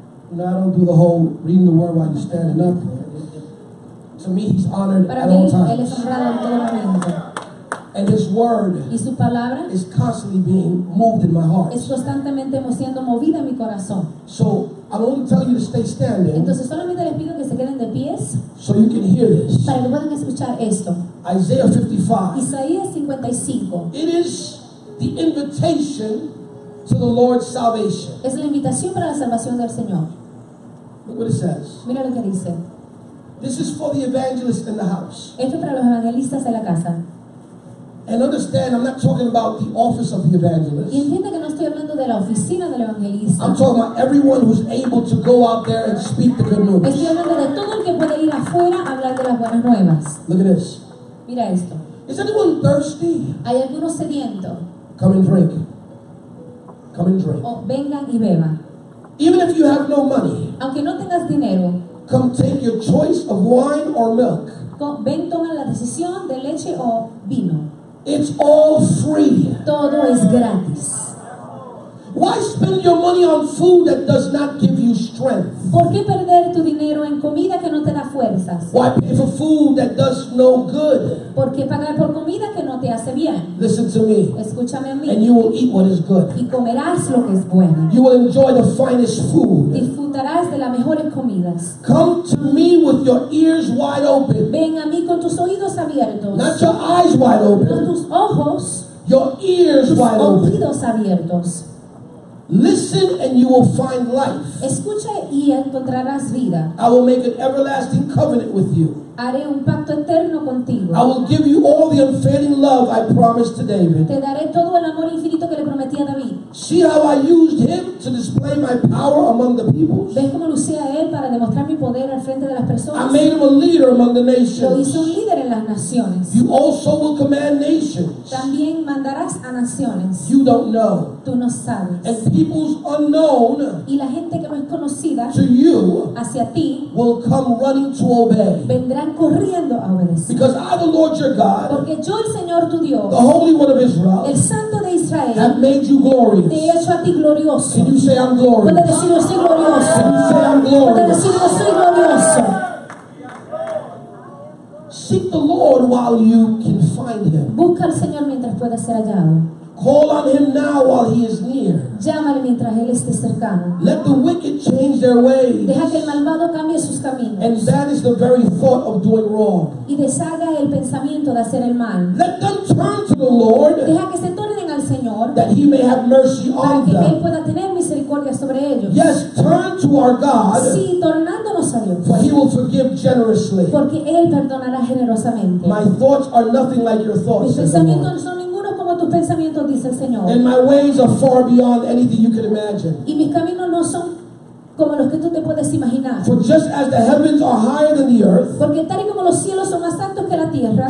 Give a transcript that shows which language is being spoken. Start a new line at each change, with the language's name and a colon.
English: No, I don't do the whole reading the word while you're standing up. To me, he's honored
Spanish: para
English: at
Spanish: mí,
English: all times.
Spanish: Él es honrado en todo momento.
English: And his word
Spanish: y su palabra
English: is constantly being moved in my heart.
Spanish: Es constantemente siendo movida en mi corazón.
English: So I'm only telling you to stay standing.
Spanish: Entonces solamente les pido que se queden de pies.
English: So you can hear this.
Spanish: Para que puedan escuchar esto.
English: Isaiah 55.
Spanish: Isaías 55.
English: It is the invitation to the Lord's salvation.
Spanish: Es la invitación para la salvación del Señor.
English: Look what it says.
Spanish: Mira lo que dice.
English: This is for the evangelists in the house.
Spanish: Esto es para los evangelistas de la casa.
English: And understand, I'm not talking about the office of the evangelist.
Spanish: Y entiende que no estoy hablando de la oficina del evangelista.
English: I'm talking about everyone who's able to go out there and speak the good news.
Spanish: Estoy hablando de todo el que puede ir afuera a hablar de las buenas nuevas.
English: Look at this.
Spanish: Mira esto.
English: Is anyone thirsty?
Spanish: ¿Hay alguno sediento?
English: Come and drink. Come and drink.
Spanish: O vengan y beban.
English: Even if you have no money.
Spanish: Aunque no tengas dinero.
English: Come take your choice of wine or milk.
Spanish: Ven, toma la decisión de leche o vino.
English: It's all free.
Spanish: Todo es gratis.
English: Why spend your money on food that does not give you strength?
Spanish: ¿Por qué perder tu dinero en comida que no te da fuerzas?
English: Why pay for food that does no good?
Spanish: ¿Por qué pagar por comida que no te hace bien?
English: Listen to me.
Spanish: Escúchame a mí.
English: And you will eat what is good.
Spanish: Y comerás lo que es bueno.
English: You will enjoy the finest food.
Spanish: Disfrutarás de las mejores comidas.
English: Come to me with your ears wide open.
Spanish: Ven a mí con tus oídos abiertos.
English: Not your eyes wide open.
Spanish: No tus ojos.
English: Your ears
Spanish: tus
English: wide open.
Spanish: Tus oídos abiertos.
English: Listen and you will find life.
Spanish: Escucha y encontrarás vida.
English: I will make an everlasting covenant with you.
Spanish: Haré un pacto eterno contigo.
English: I will give you all the unfailing love I promised to David.
Spanish: Te daré todo el amor infinito que le prometí a David.
English: See how I used him to display my power among the peoples.
Spanish: Ves cómo lo usé a él para demostrar mi poder al frente de las personas.
English: I made him a leader among the nations.
Spanish: Lo hice un líder en las naciones.
English: You also will command nations.
Spanish: También mandarás a naciones.
English: You don't know.
Spanish: Tú no sabes.
English: And peoples unknown.
Spanish: Y la gente que no es conocida.
English: To you.
Spanish: Hacia ti.
English: Will come running to obey.
Spanish: Vendrán corriendo a obedecer.
English: Because I, the Lord your God,
Spanish: porque yo, el Señor tu Dios,
English: the Holy One of Israel,
Spanish: el Santo de Israel,
English: have made you glorious.
Spanish: Te he hecho a ti glorioso.
English: Can you say I'm glorious?
Spanish: Puedes decir yo soy glorioso.
English: Can you say I'm glorious?
Spanish: Puedes decir yo soy glorioso.
English: Seek the Lord while you can find him.
Spanish: Busca al Señor mientras pueda ser hallado.
English: Call on him now while he is near.
Spanish: Llámale mientras él esté cercano.
English: Let the wicked change their ways.
Spanish: Deja que el malvado cambie sus caminos.
English: And banish the very thought of doing wrong.
Spanish: Y deshaga el pensamiento de hacer el mal.
English: Let them turn to the Lord.
Spanish: Deja que se tornen al Señor.
English: That he may have mercy on them.
Spanish: Para que él pueda tener misericordia sobre ellos.
English: Yes, turn to our God.
Spanish: Sí, tornándonos a Dios.
English: For he will forgive generously.
Spanish: Porque él perdonará generosamente.
English: My thoughts are nothing like your thoughts.
Spanish: Mis pensamientos no son ninguno como tus pensamientos, dice el Señor.
English: And my ways are far beyond anything you can imagine.
Spanish: Y mis caminos no son como los que tú te puedes imaginar.
English: For just as the heavens are higher than the earth,
Spanish: porque tal y como los cielos son más altos que la tierra,